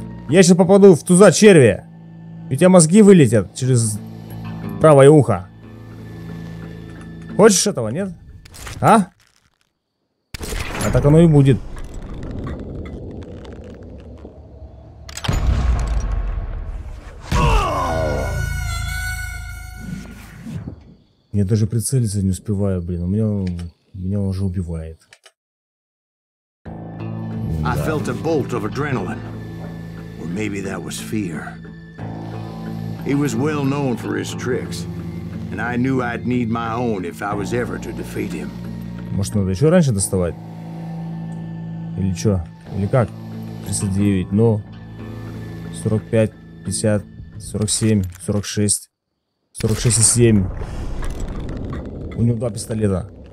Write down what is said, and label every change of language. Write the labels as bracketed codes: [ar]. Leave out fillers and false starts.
[ru] Я сейчас попаду в туза черви. У тебя мозги вылетят через правое ухо. Хочешь этого, нет? А? А так оно и будет. Я даже прицелиться не успеваю, блин. У меня уже убивает. [en] I felt a bolt of adrenaline. Or maybe that was fear. He was well known for his tricks, and I knew I'd need my own if I was ever to defeat him. [ru] Может, надо еще раньше доставать? Или что? Или как? 39, но 45, 50, 47, 46, 46,7. У него два пистолета.